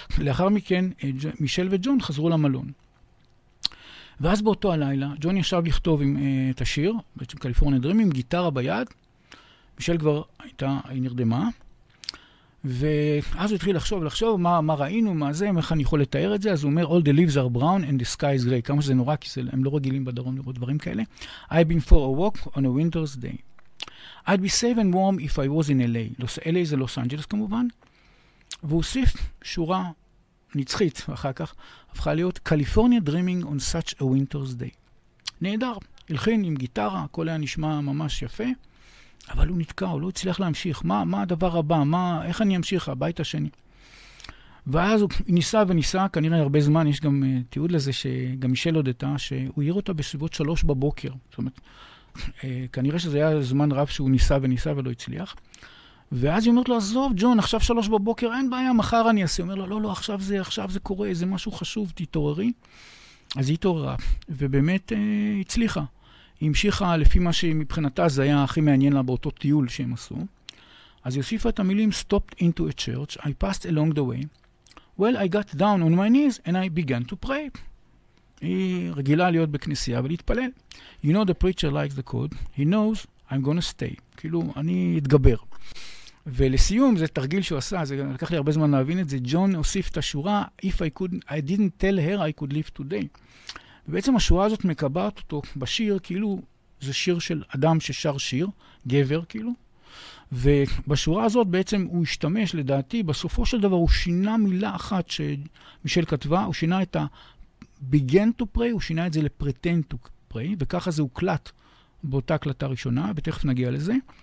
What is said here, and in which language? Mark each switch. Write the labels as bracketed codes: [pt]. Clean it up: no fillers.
[he] לאחר מכן, מישל וג'ון חזרו למלון. ואז באותו הלילה, ג'ון ישב לכתוב עם את השיר, בעצם קליפורניה דרימים, עם גיטרה ביד. מישל כבר הייתה, היא נרדמה. ואז הוא התחיל לחשוב מה ראינו, מה זה, איך אני יכול לתאר את זה. אז הוא אומר, [en] All the leaves are brown and the sky is gray. [he] כמה שזה נורא, כי הם לא רגילים בדרום לראות דברים כאלה. [en] I've been for a walk on a winter's day. I'd be safe and warm if I was in LA. [he] LA זה לוס אנג'לס כמובן. והוא הוסיף שורה נצחית, ואחר כך הפכה להיות [en] California dreaming on such a winter's day. [he] נהדר, הלחין עם גיטרה, הכל היה נשמע ממש יפה, אבל הוא נתקע, הוא לא הצליח להמשיך, מה הדבר הבא, איך אני אמשיך, הבית השני. ואז הוא ניסה וניסה, כנראה הרבה זמן, יש גם תיעוד לזה, שגם מישל הודתה, שהוא עיר אותה בסביבות 3 בבוקר, זאת אומרת, כנראה שזה היה זמן רב שהוא ניסה וניסה ולא הצליח, ואז היא אומרת לו, עזוב, ג'ון, עכשיו 3:00, אין בעיה, מחר אני אעשה. אומר לו, לא, לא, עכשיו זה קורה, זה משהו חשוב, תתעוררי. אז היא התעוררה, ובאמת הצליחה. היא המשיכה לפי מה שמבחינתה זה היה הכי מעניין לה באותו טיול שהם עשו. אז היא הוסיפה את המילים, [en] stopped into a church, I passed along the way. Well, I got down on my knees and I began to pray. [he] היא רגילה להיות בכנסייה ולהתפלל. [en] You know the preacher likes the code. He knows I'm gonna stay. [he] כאילו, אני אתגבר. ולסיום, זה תרגיל שהוא עשה, זה לקח לי הרבה זמן להבין את זה. ג'ון הוסיף את השורה, [en] If I could, I didn't tell her I could live today. [he] ובעצם השורה הזאת מקבעת אותו בשיר, כאילו, זה שיר של אדם ששר שיר, גבר כאילו. ובשורה הזאת בעצם הוא השתמש, לדעתי, בסופו של דבר הוא שינה מילה אחת שמישל כתבה, הוא שינה את ה- [en] begin to pray, [he] הוא שינה את זה ל- [en] pretend to pray, [he] וככה זה הוקלט באותה הקלטה ראשונה, ותכף נגיע לזה.